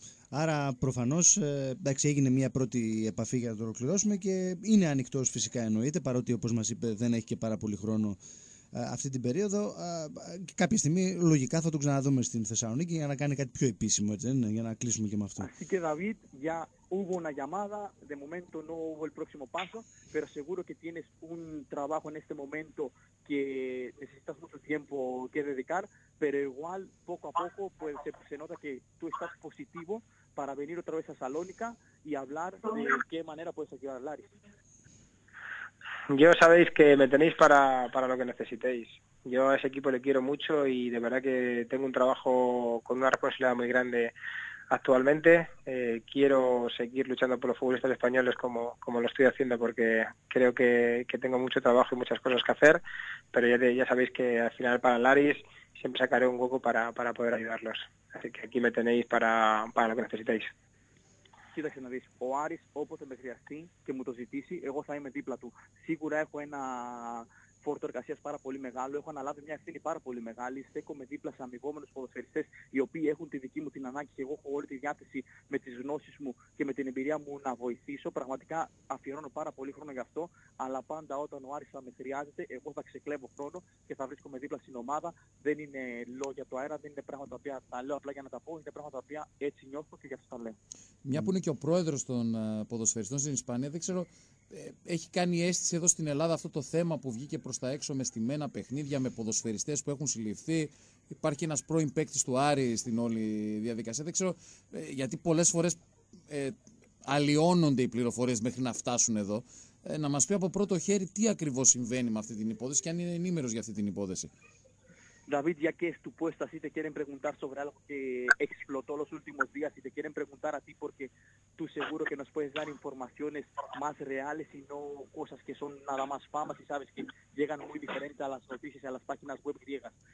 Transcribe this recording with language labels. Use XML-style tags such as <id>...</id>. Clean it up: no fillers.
<el>Άρα προφανώς έγινε μια πρώτη επαφή για να το ολοκληρώσουμε και είναι ανοιχτός φυσικά, εννοείται, παρότι όπως μας είπε δεν έχει και πάρα πολύ χρόνο αυτή την περίοδο. Κάποια στιγμή λογικά θα τον ξαναδούμε στην Θεσσαλονίκη για να κάνει κάτι πιο επίσημο, έτσι, ναι, για να κλείσουμε και με αυτό. Και Δαβίτ, για</el> <es>hubo una llamada, de momento no hubo el próximo paso, pero seguro que tienes un trabajo en este momento que necesitas mucho tiempo que dedicar, pero igual poco a poco pues se nota que tú estás positivo para venir otra vez a Salónica y hablar de qué manera puedes ayudar a Laris. Yo sabéis que me tenéis para lo que necesitéis. Yo a ese equipo le quiero mucho y de verdad que tengo un trabajo con una responsabilidad muy grande actualmente. Quiero seguir luchando por los futbolistas españoles como lo estoy haciendo, porque creo que tengo mucho trabajo y muchas cosas que hacer, pero ya sabéis que al final para Laris siempre sacaré un hueco para poder ayudarlos. Así que aquí me tenéis para lo que necesitéis.</es> <el>Κοίταξε να δεις, ο Άρης όποτε με χρειαστεί και μου το ζητήσει, εγώ θα είμαι δίπλα του. Σίγουρα έχω ένα φόρτο εργασίας πάρα πολύ μεγάλο, έχω αναλάβει μια ευθύνη πάρα πολύ μεγάλη. Στέκομαι δίπλα σε αμοιβόμενους ποδοσφαιριστές οι οποίοι έχουν τη δική μου την ανάγκη και εγώ έχω όλη τη διάθεση με τις γνώσεις μου και με την εμπειρία μου να βοηθήσω. Πραγματικά αφιερώνω πάρα πολύ χρόνο γι' αυτό, αλλά πάντα όταν ο Άρης θα με χρειάζεται, εγώ θα ξεκλέβω χρόνο και θα βρίσκομαι δίπλα στην ομάδα. Δεν είναι λόγια του αέρα, δεν είναι πράγματα τα οποία τα λέω απλά για να τα πω, είναι πράγματα τα οποία έτσι νιώθω και γι' αυτό τα λέω. Μια που είναι και ο πρόεδρος των ποδοσφαιριστών στην Ισπανία, δεν ξέρω, έχει κάνει αίσθηση εδώ στην Ελλάδα αυτό το θέμα που βγήκε προς τα έξω με στημένα παιχνίδια, με ποδοσφαιριστές που έχουν συλληφθεί. Υπάρχει ένας πρώην παίκτης του Άρη στην όλη διαδικασία. Δεν ξέρω, γιατί πολλές φορές αλλοιώνονται οι πληροφορίες μέχρι να φτάσουν εδώ. Να μας πει από πρώτο χέρι τι ακριβώς συμβαίνει με αυτή την υπόθεση και αν είναι ενήμερος για αυτή την υπόθεση.</el> <es>David, ya que es tu puesta, si te quieren preguntar sobre algo que explotó los últimos días, si te quieren preguntar a ti, porque tú seguro que nos puedes dar informaciones más reales y no cosas que son nada más famas y sabes que llegan muy diferente a las noticias, a las páginas web griegas.</es>